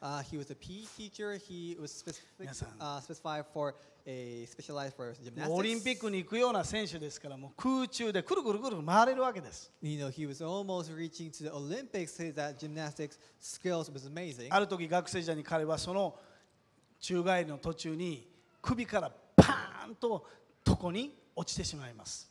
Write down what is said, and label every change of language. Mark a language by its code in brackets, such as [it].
[en] He was a PE teacher. He was specified for specialized for gymnastics. [ja] オリンピックに行くような選手ですから、もう空中でくるくるくる回れるわけです。 [en] You know, he was almost reaching to the Olympics. His gymnastics skills was amazing. [ja] ある時学生時代に彼はその宙返りの途中に首からパーンと床に落ちてしまいます。